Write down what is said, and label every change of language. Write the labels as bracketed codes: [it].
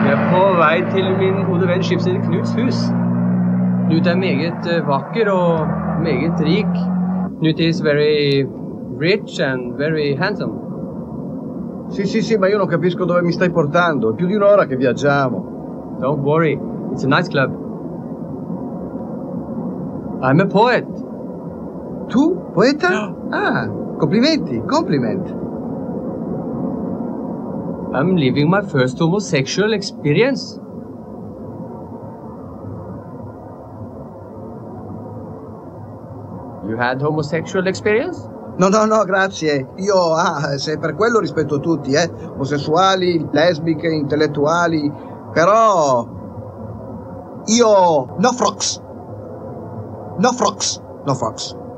[no] På vei til min gode venn skipsreder Knuts hus. Knut meget vakker og meget rik. [en] Knut is very rich and very handsome. [it] Sì, ma io non capisco dove mi stai portando. È più di un'ora che viaggiamo. [en] Don't worry, it's a nice club. I'm a poet. [it] Tu? Poeta? No. Complimenti. [en] I'm living my first homosexual experience. You had homosexual experience? [it] No, no, no, grazie. Io, se per quello rispetto tutti, omosessuali, lesbiche, intellettuali, però... Io... No frox. No frox. No frox.